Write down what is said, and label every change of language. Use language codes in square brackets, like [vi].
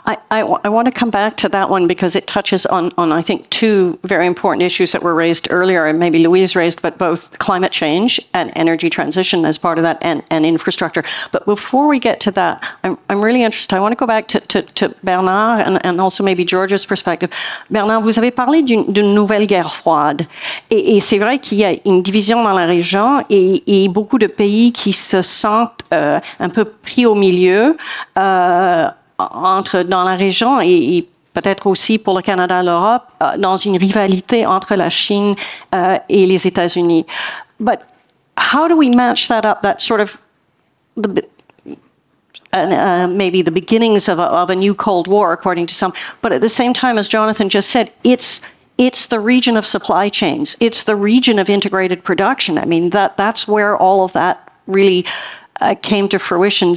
[en] I want to come back to that one because it touches on I think two very important issues that were raised earlier, and maybe Louise raised, but both climate change and energy transition as part of that and infrastructure. But before we get to that, I'm really interested. I want to go back to Bernard and also maybe George's perspective. [fr] Bernard, vous avez parlé d'une nouvelle guerre froide. Et c'est vrai qu'il y a une division dans la région et beaucoup de pays qui se sentent un peu pris au milieu. Entre dans la région et peut-être aussi pour le Canada et l'Europe, dans une rivalité entre la Chine et les États-Unis. [en] But how do we match that up, that sort of, maybe the beginnings of a new Cold War, according to some, but at the same time, as Jonathan just said, it's the region of supply chains. It's the region of integrated production. I mean, that's where all of that really came to fruition.